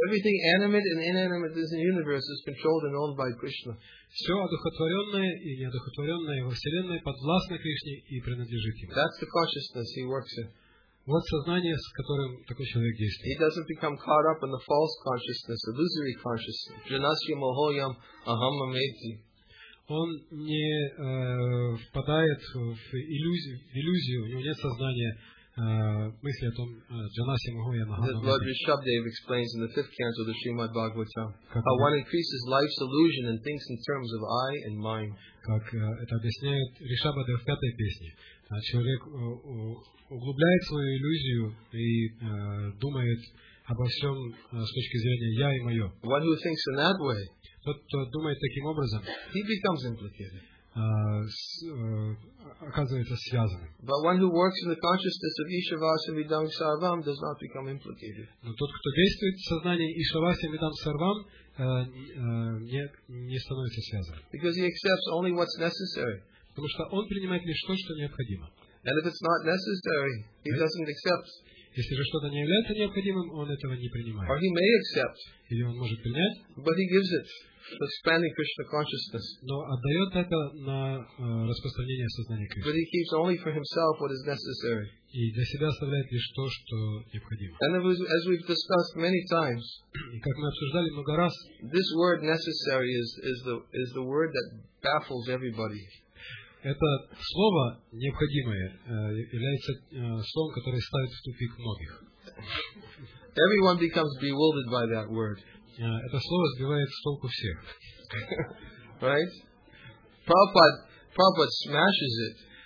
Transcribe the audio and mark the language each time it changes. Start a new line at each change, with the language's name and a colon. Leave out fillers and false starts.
English: Everything animate and inanimate in the universe is controlled and owned by Krishna.
Russian: Все одухотворенное и неодухотворенное во Вселенной подвластно Кришне и принадлежит ему.
English: That's the consciousness he works in.
Russian: Вот сознание, с которым такой человек действует.
English: He doesn't become caught up in the false consciousness, illusory consciousness.
Sanskrit: Janasya mohoyam aham ameti.
Russian: Он не впадает в иллюзию, у него нет сознания мысли о том
Sanskrit: Janasya mohoyam aham ameti.
English: Lord Rishabhdev explains in the fifth canto of the Srimad Bhagavatam how one increases life's illusion and thinks in terms of I and mine.
Russian: Как это объясняет Ришабхадев в пятой песне. Человек углубляет свою иллюзию и думает обо всем с точки зрения «я» и «моё».
English: One who thinks in that way,
Russian: тот, кто думает таким образом,
English: he becomes implicated.
Russian: Оказывается связанным.
English: But one who works in the consciousness of
Sanskrit: Ishavasya Vidam Sarvam
English: does not become implicated.
Russian: Но тот, кто действует в сознании
Sanskrit: Ishavasya Vidam Sarvam,
Russian: не становится связанным.
English: Because he accepts only what's necessary.
Russian: Потому что он принимает лишь то, что необходимо.
English: And if it's not necessary, he doesn't accept.
Russian: Если же что-то не является необходимым, он этого не принимает.
English: Or he may accept.
Russian: Или он может принять.
English: But he gives it for expanding Krishna consciousness.
Russian: Но отдает это на распространение сознания Кришны.
English: But he keeps only for himself what is necessary.
Russian: И для себя оставляет лишь то, что необходимо.
English: And as we've discussed many times,
Russian: и как мы обсуждали много раз,
English: this word necessary is the word that baffles everybody.
Russian: Это слово «необходимое» является словом, которое ставит в тупик многих.
English: Everyone becomes bewildered by that word.
Russian: Это слово сбивает с толку всех.
English: Right? Prabhupada smashes it.